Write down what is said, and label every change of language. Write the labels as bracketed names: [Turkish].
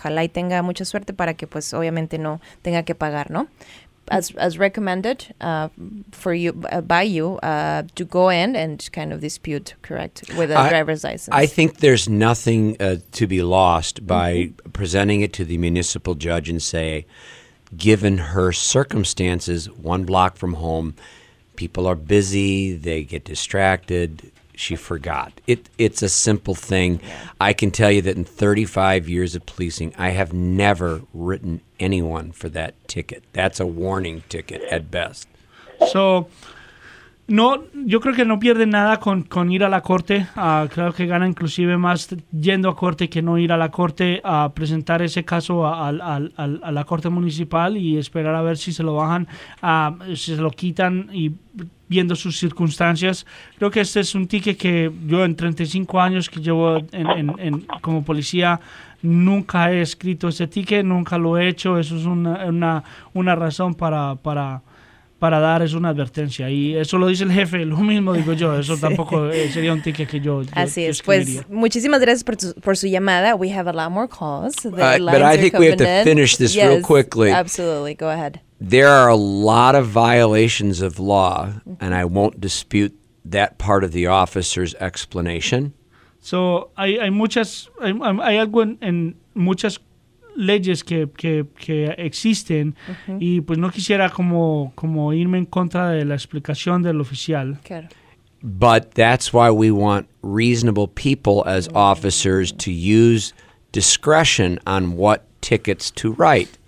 [Spanish] Ojalá y tenga mucha suerte para que pues obviamente no tenga que pagar, ¿no? [English] As recommended for you by you to go in and kind of dispute, correct, with a driver's license. I think there's nothing to be lost by presenting it to the municipal judge and say, given her circumstances, one block from home, people are busy, they get distracted, she forgot. It's a simple thing. I can tell you that in 35 years of policing, I have never written anyone for that ticket. That's a warning ticket at best. [Spanish] So, no, yo creo que no pierde nada con ir a la corte. Creo que gana inclusive más yendo a corte que no ir a la corte a presentar ese caso a la corte municipal y esperar a ver si se lo bajan, si se lo quitan, y viendo sus circunstancias. Creo que este es un ticket que yo, en 35 años que llevo en como policía, nunca he escrito ese ticket, nunca lo he hecho. Eso es una razón para dar es una advertencia, y eso lo dice el jefe, lo mismo digo yo, eso sí. Tampoco sería un ticket que yo así escribiría. Es, pues muchísimas gracias por su llamada. [English] We have a lot more calls. But I think we have to finish this yes, real quickly. Absolutely, go ahead. There are a lot of violations of law, and I won't dispute that part of the officer's explanation. [Spanish] So, hay algo en muchas leyes que existen, uh-huh, y pues no quisiera como irme en contra de la explicación del oficial. Claro. [English] But that's why we want reasonable people as officers to use discretion on what tickets to write.